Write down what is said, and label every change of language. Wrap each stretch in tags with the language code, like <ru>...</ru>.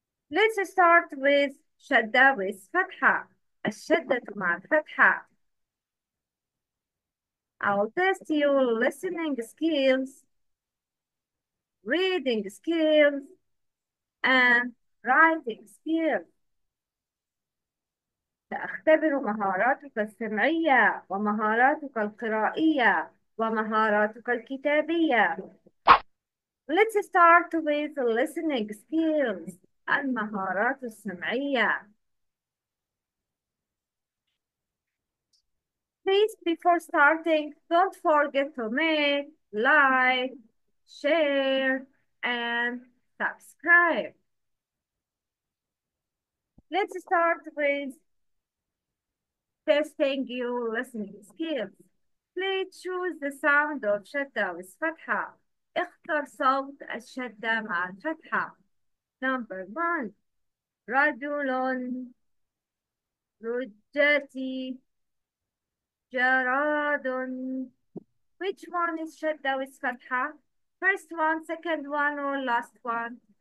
<en>Let's start with Shadda with Fatha. Ash-shadda ma Fatha. I'll test your listening skills, reading skills, and writing skills.</en> <ar>سأختبر مهاراتك السمعية ومهاراتك القرائية ومهاراتك الكتابية.</ar> <en>Let's start with listening skills,</en> <ar>المهارات السمعية.</ar> <en>Please, before starting, don't forget to make, like, share, and subscribe. Let's start with testing your listening skills. Please choose the sound of شدة with فتحة.</en> <ar>اختر صوت الشدة مع الفتحة.</ar> <en>Number one,</en> <ar>رجل رجاتي جراد.</ar> <en>Which one is شدة with فتحة؟ First one, second one, or last one?</en>